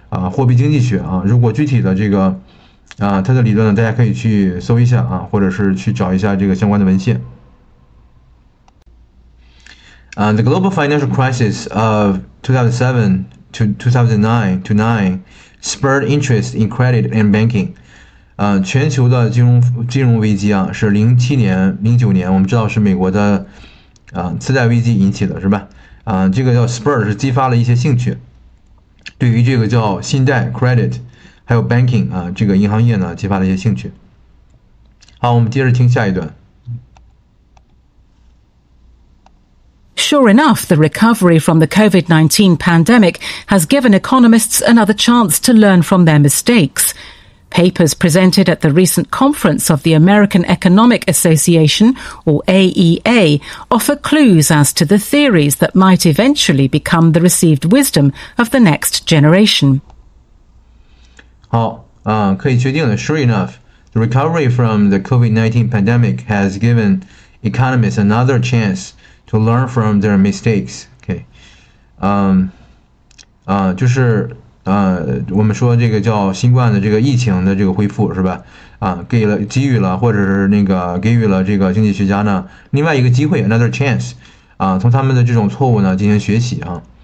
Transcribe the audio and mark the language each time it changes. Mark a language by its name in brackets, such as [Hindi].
[Chinese] 货币经济学啊，如果具体的这个，它的理论呢，大家可以去搜一下啊，或者是去找一下这个相关的文献。 [English] The global financial crisis of 2007 to 2009 to 9 spurred interest in credit and banking。 [Chinese] 全球的金融危机啊，是2007年、2009年，我们知道是美国的次贷危机引起的，是吧？这个叫 spur 是激发了一些兴趣。对于这个叫信贷 credit，还有 banking 啊，这个银行业呢，激发了一些兴趣。好，我们接着听下一段。 [English] Sure enough, the recovery from the COVID-19 pandemic has given economists another chance to learn from their mistakes. Papers presented at the recent conference of the American Economic Association, or AEA, offer clues as to the theories that might eventually become the received wisdom of the next generation. [Chinese] 好，可以确定的。 [English] Sure enough, the recovery from the COVID-19 pandemic has given economists another chance to to learn from their mistakes. [Chinese] OK，就是我们说这个叫新冠的这个疫情的这个恢复是吧？给予了或者是那个给予了这个经济学家呢另外一个机会， [English] another chance， [Chinese] 从他们的这种错误呢进行学习啊。